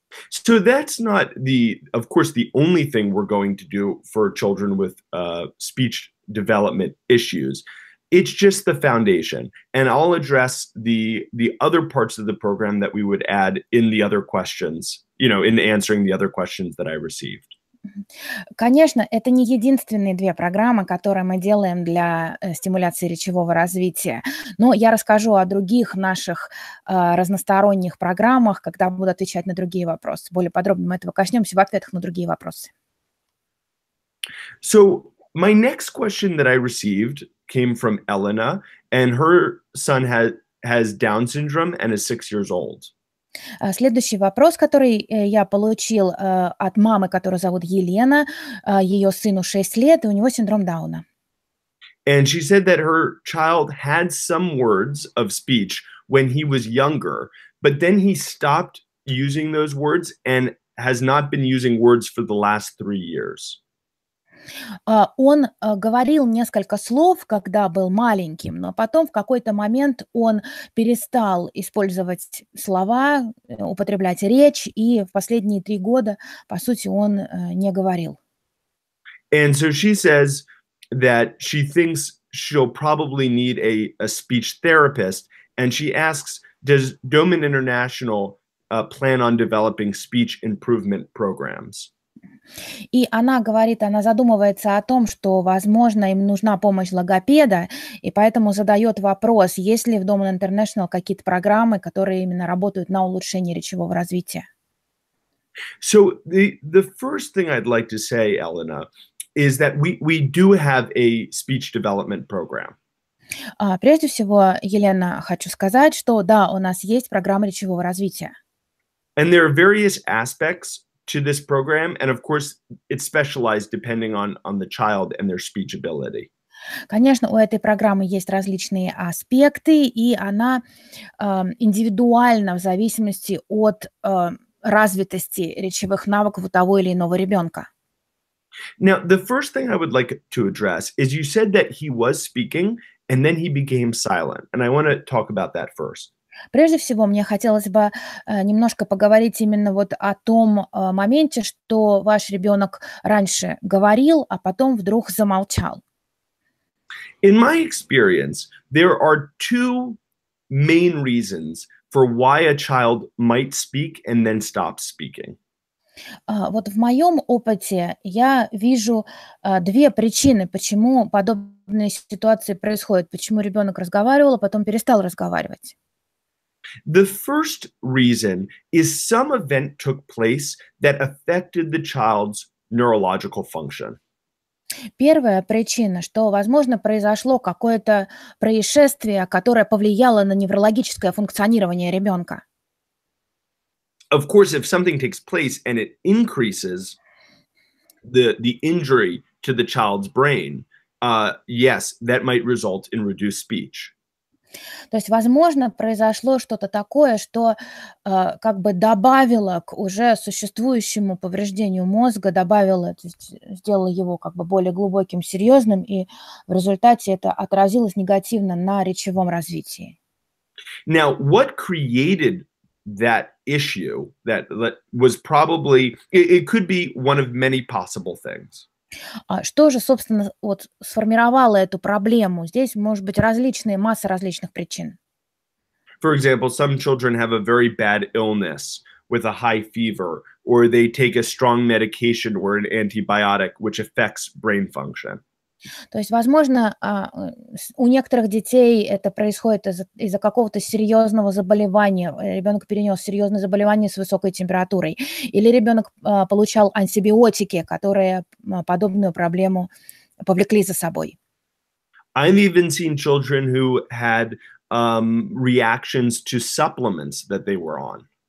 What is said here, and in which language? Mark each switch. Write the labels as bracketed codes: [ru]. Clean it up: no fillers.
[en] So that's not the, of course, the only thing we're going to do for children with speech development issues. It's just the foundation. And I'll address the other parts of the program that we would add in the other questions, you know, in answering the other questions that I received. [ru] Конечно, это не единственные две программы, которые мы делаем для стимуляции речевого развития. Но я расскажу о других наших разносторонних программах, когда буду отвечать на другие вопросы. Более подробно мы этого коснемся в ответах на другие вопросы. [en] So, my next question that I received came from Elena, and her son has Down syndrome and is 6 years old. [ru] Следующий вопрос, который я получил от мамы, которую зовут Елена, ее сыну 6 лет, и у него синдром Дауна. [en] And she said that her child had some words of speech when he was younger, but then he stopped using those words and has not been using words for the last 3 years. [ru] Он говорил несколько слов, когда был маленьким, но потом в какой-то момент он перестал использовать слова, употреблять речь, и в последние 3 года, по сути, он не говорил. [en] And so she says that she thinks she'll probably need a speech therapist, and she asks, does Doman International plan on developing speech improvement programs? [ru] И она говорит, она задумывается о том, что, возможно, им нужна помощь логопеда, и поэтому задает вопрос, есть ли в Doman International какие-то программы, которые именно работают на улучшение речевого развития. [en] So the first thing I'd like to say, Elena, is that we do have a speech development program. [ru] Прежде всего, Елена, хочу сказать, что да, у нас есть программа речевого развития. [en] And there are various aspects to this program, and of course, it's specialized depending on the child and their speech ability. [ru] Конечно, у этой программы есть различные аспекты, и она индивидуальна в зависимости от развитости речевых навыков у того или иного ребенка. [en] Now, the first thing I would like to address is you said that he was speaking, and then he became silent, and I want to talk about that first. [ru] Прежде всего, мне хотелось бы немножко поговорить именно вот о том моменте, что ваш ребенок раньше говорил, а потом вдруг замолчал. [en] In my experience, there are two main reasons for why a child might speak and then stop speaking. [ru] Вот в моем опыте я вижу две причины, почему подобные ситуации происходят, почему ребенок разговаривал, а потом перестал разговаривать. [en] The first reason is some event took place that affected the child's neurological function. [ru] Первая причина, что, возможно, произошло какое-то происшествие, которое повлияло на неврологическое функционирование ребенка. [en] Of course, if something takes place and it increases the injury to the child's brain, yes, that might result in reduced speech. [ru] То есть, возможно, произошло что-то такое, что как бы добавило к уже существующему повреждению мозга, добавило, то есть сделало его как бы более глубоким, серьезным, и в результате это отразилось негативно на речевом развитии. [en] Now, what created that issue that was probably, it could be one of many possible things. [ru] Что же, собственно, вот сформировало эту проблему? Здесь может быть различные, масса различных причин. [en] For example, some children have a very bad illness with a high fever, or they take a strong medication or an antibiotic, which affects brain function. [ru] То есть, возможно, у некоторых детей это происходит из-за какого-то серьезного заболевания. Ребенок перенес серьезное заболевание с высокой температурой. Или ребенок получал антибиотики, которые подобную проблему повлекли за собой. [en] I've even seen children who had reactions to supplements that they were on.